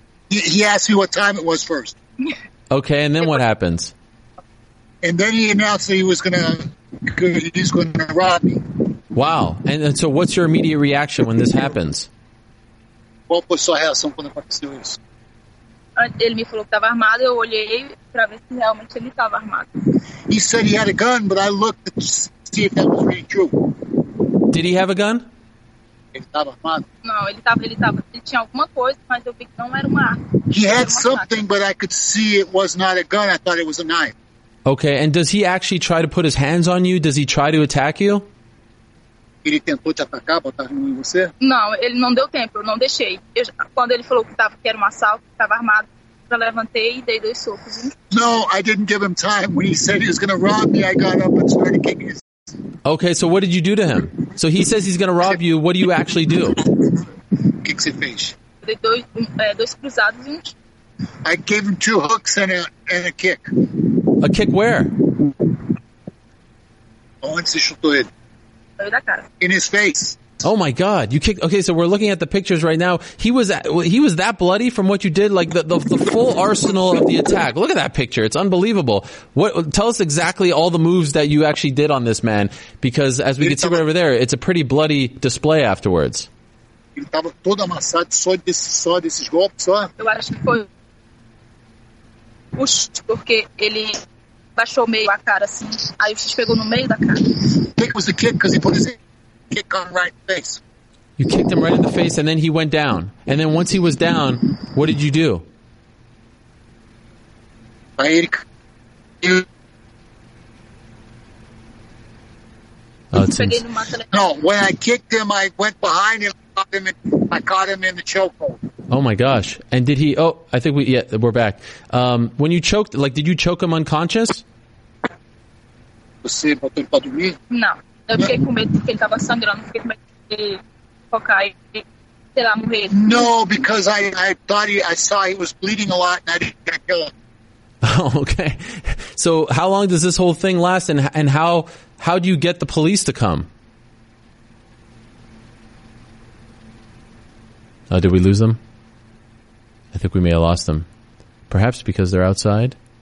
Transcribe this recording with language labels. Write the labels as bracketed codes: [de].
[en] He asked me what time it was first. Okay, and then what happens? And then he announced that he was gonna rob me. Wow, and so what's your immediate reaction when this happens? [pt] Qual foi sua reação quando aconteceu isso? Ele me falou que estava armado e eu olhei para ver se realmente ele estava armado. [en] He said he had a gun, but I looked to see if that was really true. Did he have a gun? [pt] Ele estava armado. Não, ele estava. Ele tinha alguma coisa, mas eu vi que não era uma arma. [en] He had something, but I could see it was not a gun. I thought it was a knife. Okay, and does he actually try to put his hands on you? Does he try to attack you? [pt] Ele tentou te atacar, botar em você? Não, ele não deu tempo, eu não deixei. Quando ele falou que era um assalto, estava armado, eu levantei e dei dois socos. [en] No, I didn't give him time. When he said he was going to rob me, I got up and started kicking his ass. Okay, so what did you do to him? So he says he's going to rob you, what do you actually do? [pt] O que você fez? Eu dei dois cruzados e um. [en] I gave him two hooks and a kick. A kick where? [pt] Onde você chutou ele? [en] In his face. Oh my God! You kicked. Okay, so we're looking at the pictures right now. He was that bloody from what you did. Like the full arsenal of the attack. Look at that picture. It's unbelievable. What? Tell us exactly all the moves that you actually did on this man, because as we can see right over there, it's a pretty bloody display afterwards. [pt] Ele estava todo amassado só desses golpes, só. Eu acho que foi porque ele baixou meio a cara assim. Aí o chute pegou no meio da cara. [en] Was the kick because he put his kick on right face. You kicked him right in the face and then he went down. And then once he was down, what did you do? When I kicked him, I went behind him and I caught him in the chokehold. Oh my gosh. And did he, we're back. When you choked, like, did you choke him unconscious? [pt] Você botou ele pra dormir? Não. Eu fiquei com medo porque ele tava sangrando. Fiquei com medo de focar e, sei lá, morrer. [en] No, because I saw he was bleeding a lot and I didn't kill him. Okay. So how long does this whole thing last and how do you get the police to come? Oh, did we lose them? I think we may have lost them. Perhaps because they're outside.